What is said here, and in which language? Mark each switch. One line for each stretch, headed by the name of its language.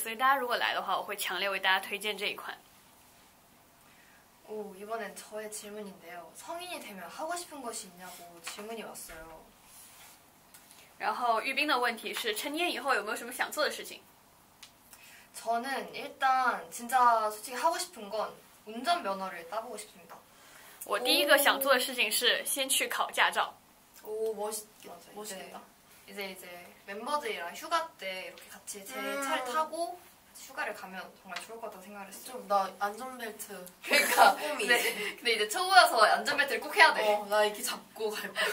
Korean: 추천해요.
Chinese: 因为在首尔的话，在韩国的话，就是这种稍微有点辣辣甜甜的炒年糕很有人气，所以大家如果来的话，我会强烈为大家推荐这一款。
Korean: 오, 이번엔 저의 질문인데요. 성인이 되면 하고 싶은 것이 있냐고 질문이 왔어요.
Chinese: 然后玉冰的问题是，成年以后有没有什么想做的事情？
Korean: 저는 일단 진짜 솔직히 하고 싶은 건 운전면허를 따보고 싶습니다.
Chinese: 我第一个想做的事情是先去考驾照。
Korean: 오, 멋있겠다. 이제 멤버들이랑 휴가 때 이렇게 같이 제 차를 타고 휴가를 가면 정말 좋을 것 같다고 생각을 했어요. 좀 나 안전벨트 그러니까 꿈이 근데 이제 초보여서 안전벨트를 꼭 해야 돼. 어, 나 이렇게 잡고 갈 거야.